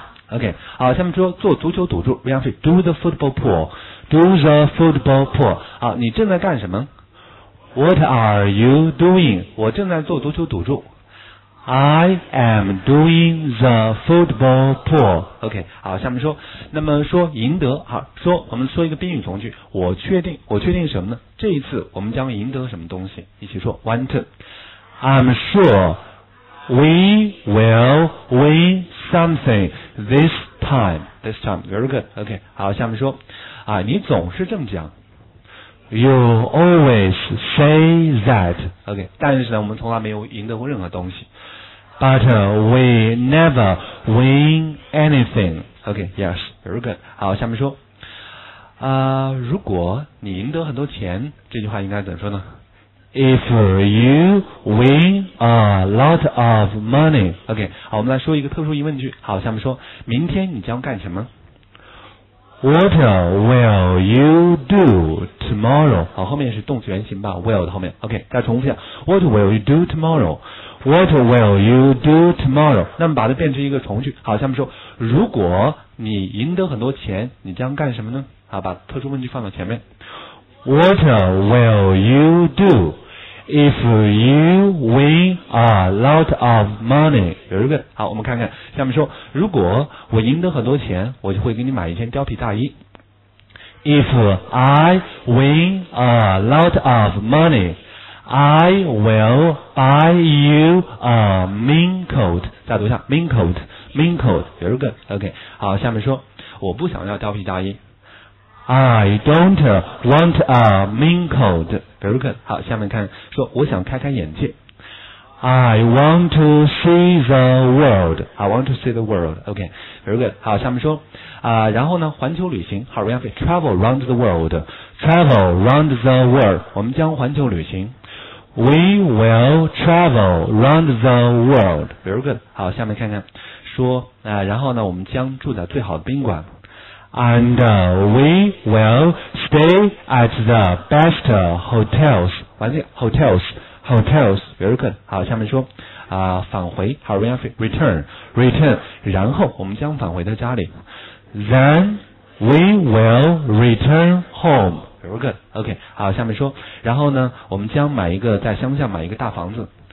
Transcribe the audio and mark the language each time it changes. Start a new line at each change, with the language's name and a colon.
English: OK，
Chinese: 好，下面说做足球赌注
English: ，We have to do the football pool. Do the football pool.
Chinese: 好，你正在干什么
English: ？What are you doing？
Chinese: 我正在做足球赌注。
English: I am doing the football pool.
Chinese: OK， 好，下面说，那么说赢得，好，说我们说一个宾语从句，我确定，我确定什么呢？这一次我们将赢得什么东西？一起说 ，
English: One, two. I'm sure we will win something this time. This time, very good.
Chinese: OK， 好，下面说，啊，你总是这么讲。
English: You always say that.
Chinese: OK， 但是呢，我们从来没有赢得过任何东西。
English: But we never win anything. OK, yes, very good.
Chinese: 好，下面说，如果你赢得很多钱，这句话应该怎么说呢？
English: If you win a lot of money.
Chinese: OK, 好，我们来说一个特殊疑问句。好，下面说，明天你将干什么？
English: What will you do tomorrow?
Chinese: 好，后面是动词原形吧， will 的后面。
English: OK,
Chinese: 再重复一下，
English: What will you do tomorrow? What will you do tomorrow?
Chinese: 那么把它变成一个从句。好，下面说，如果你赢得很多钱，你将干什么呢？好，把特殊问句放到前面。
English: What will you do if you win a lot of money? Very good.
Chinese: 好，我们看看，下面说，如果我赢得很多钱，我就会给你买一件貂皮大衣。
English: If I win a lot of money,I will buy you a mink coat.
Chinese: 再读一下
English: mink coat, mink coat, very good.
Chinese: OK, 好，下面说，我不想要貂皮大衣。
English: I don't want a mink coat. Very good.
Chinese: 好，下面看，说我想开开眼界。
English: I want to see the world. I want to see the world. OK, very good.
Chinese: 好，下面说，然后呢，环球旅行。
English: 好，we have to travel around the world. Travel around the world.
Chinese: 我们将环球旅行。
English: We will travel around the world. Very good.
Chinese: 好，下面看看，说，然后呢，我们将住在最好的宾馆。
English: And we will stay at the best hotels.
Chinese: 完了 ，hotels,
English: hotels. Very good.
Chinese: 好，下面说，返回。好 ，
English: we have return, return.
Chinese: 然后我们将返回到家里。
English: Then we will return home. Very good.
Chinese: OK, 好，下面说，然后呢，我们将买一个在乡下买一个大房子。